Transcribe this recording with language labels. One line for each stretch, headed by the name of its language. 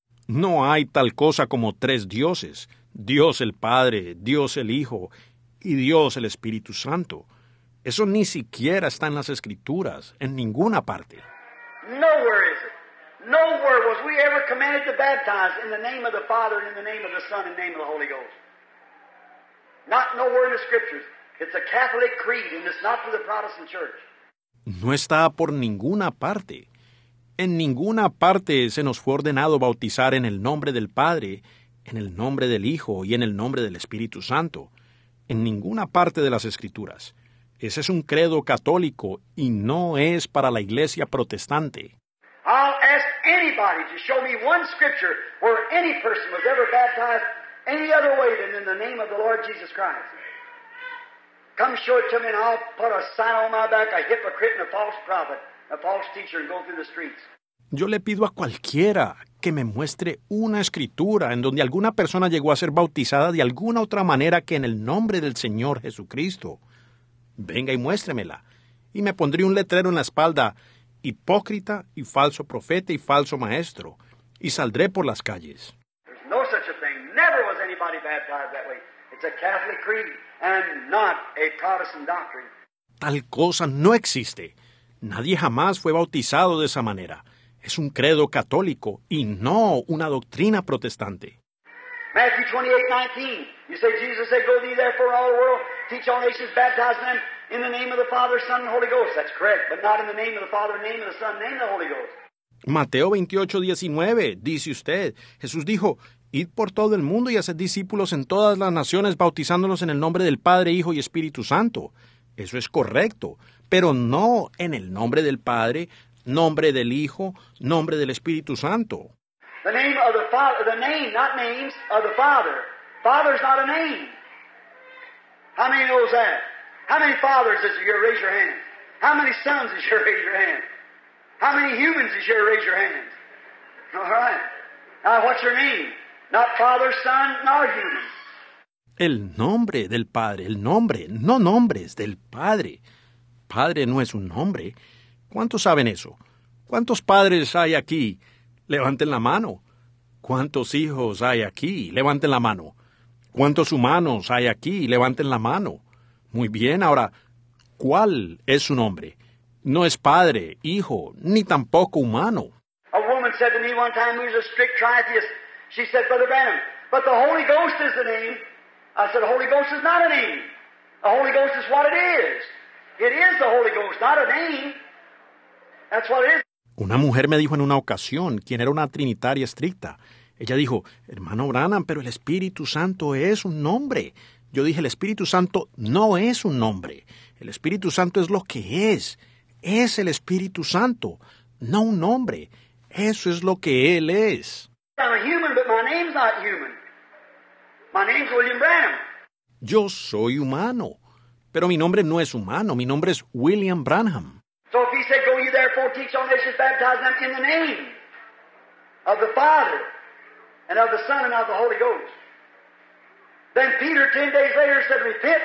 Spanish: No hay tal cosa como tres dioses. Dios el Padre, Dios el Hijo, y Dios el Espíritu Santo. Eso ni siquiera está en las Escrituras, en ninguna parte.
English: Nowhere is it. Nowhere was we ever commanded to baptize in the name of the Father, and in the name of the Son, and in the name of the Holy Ghost. Not nowhere in the Scriptures. It's a Catholic creed, and it's not for the Protestant Church.
Spanish: No está por ninguna parte. En ninguna parte se nos fue ordenado bautizar en el nombre del Padre, en el nombre del Hijo y en el nombre del Espíritu Santo. En ninguna parte de las Escrituras. Ese es un credo católico y no es para la Iglesia protestante.
English: I'll ask anybody to show me one scripture where any person was ever baptized any other way than in the name of the Lord Jesus Christ. Come show it to me and I'll put a sign on my back, a hypocrite and a false prophet, a false teacher, and go through the streets.
Spanish: Yo le pido a cualquiera que me muestre una escritura en donde alguna persona llegó a ser bautizada de alguna otra manera que en el nombre del Señor Jesucristo. Venga y muéstremela. Y me pondría un letrero en la espalda, hipócrita y falso profeta y falso maestro, y saldré por las calles.
English: There's no such a thing. Never was anybody baptized that way. It's a Catholic creed and not a Protestant doctrine.
Spanish: Tal cosa no existe. Nadie jamás fue bautizado de esa manera. Es un credo católico y no una doctrina protestante.
English: Matthew 28:19. You say, Jesus said, go thee therefore all the world, teach all nations, baptize them in the name of the Father, Son, and Holy Ghost. That's correct, but not in the name of the Father, name of the Son, name of the Holy Ghost.
Spanish: Mateo 28:19, dice usted, Jesús dijo, id por todo el mundo y haced discípulos en todas las naciones, bautizándolos en el nombre del Padre, Hijo y Espíritu Santo. Eso es correcto, pero no en el nombre del Padre, nombre del Hijo, nombre del Espíritu Santo.
English: The name of the Father, the name, not names, of the Father. Father's not a name. How many knows that? How many fathers is your raise your hand? How many sons is your raise your hand? How many humans is your raise your hand? All right. Now, what's your name? Not Father, Son, nor human.
Spanish: El nombre del Padre, el nombre, no nombres, del Padre. Padre no es un nombre. ¿Cuántos saben eso? ¿Cuántos padres hay aquí? Levanten la mano. ¿Cuántos hijos hay aquí? Levanten la mano. ¿Cuántos humanos hay aquí? Levanten la mano. Muy bien, ahora, ¿cuál es su nombre? No es padre, hijo, ni tampoco humano.
English: A woman said to me one time, who's a strict tritheist, she said, Brother Branham, but the Holy Ghost is the name. I said, the Holy Ghost is not a name. The Holy Ghost is what it is. It is the Holy Ghost, not a name. That's what it is.
Spanish: Una mujer me dijo en una ocasión, quien era una trinitaria estricta. Ella dijo, hermano Branham, pero el Espíritu Santo es un nombre. Yo dije, el Espíritu Santo no es un nombre. El Espíritu Santo es lo que es. Es el Espíritu Santo, no un nombre. Eso es lo que Él es.
English: I'm a human, but my name's not human. My name's William Branham.
Spanish: Yo soy humano, pero mi nombre no es humano. Mi nombre es William Branham.
English: So if he said, go ye therefore, teach all nations, baptize them in the name of the Father, and of the Son, and of the Holy Ghost. Then Peter, 10 days later, said, repent.